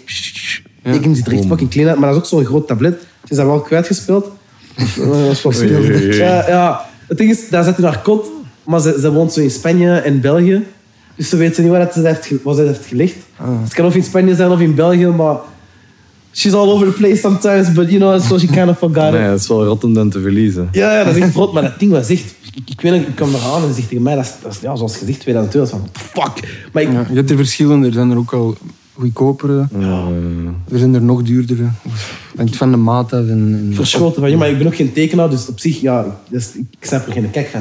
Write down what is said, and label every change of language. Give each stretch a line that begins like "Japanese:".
Dutch: Ik zit er echt fucking klein uit. Maar dat is ook zo'n groot tablet. Ze is dat wel kwijtgespeeld. Het ding is, daar zit hij naar kot, maar ze woont zo in Spanje en België. Dus ze weten niet waar ze heeft gelegd. Ah. Het kan of in Spanje zijn of in België, maar...
English: She's all over the place sometimes, but you know, so she kind of forgot it.
Dutch: Nee, dat is wel rot om dan te verliezen. Ja, dat is echt rot, maar dat ding was echt... Ik weet nog, ik kwam er aan en ze zegt tegen mij, dat is, ja, zoals je zegt, 2002, dat is van, fuck. Maar je hebt er verschillende, er zijn er ook al... Goedkopere. Ja. Er zijn er nog duurdere. Denk van de maat af. Verschoten van je, maar ik ben ook geen tekenaar, dus op zich, ja, dus ik snap er geen kijk van.